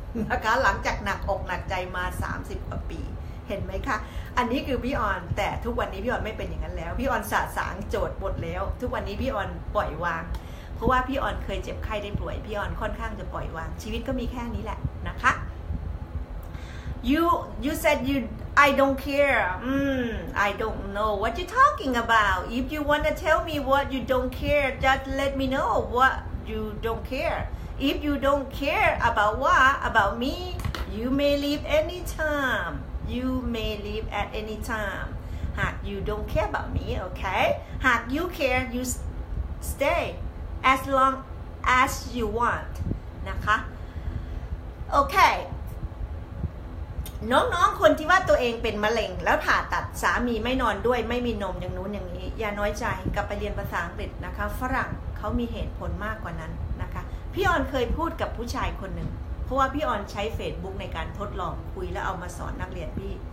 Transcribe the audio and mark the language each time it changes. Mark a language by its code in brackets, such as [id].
[th] นะคะหลังจากหนักอกหนักใจมา30กว่าปีเห็นไหมคะอันนี้คือพี่ออนแต่ทุกวันนี้พี่ออนไม่เป็นอย่างนั้นแล้วพี่ออนสะสางโจทย์หมดแล้วทุกวันนี้พี่ออนปล่อยวางเพราะว่าพี่ออนเคยเจ็บไข้ได้ป่วยพี่ออนค่อนข้างจะปล่อยวางชีวิตก็มีแค่นี้แหละนะคะ [en] you said youI don't care. I don't know what you're talking about. If you want to tell me what you don't care, just let me know what you don't care. If you don't care about what about me, you may leave anytime. You may leave at any time. If you don't care about me, okay? If you care, you stay as long as you want. [th] นะคะ Okay. น้องๆคนที่ว่าตัวเองเป็นมะเร็งแล้วผ่าตัดสามีไม่นอนด้วยไม่มีนมอย่างนู้นอย่างนี้อย่าน้อยใจกลับไปเรียนภาษาอังกฤษนะคะฝรั่งเขามีเหตุผลมากกว่านั้นนะคะพี่ออนเคยพูดกับผู้ชายคนหนึ่งเพราะว่าพี่ออนใช้เฟซบุ๊กในการทดลองคุยแล้วเอามาสอนนักเรียนพี่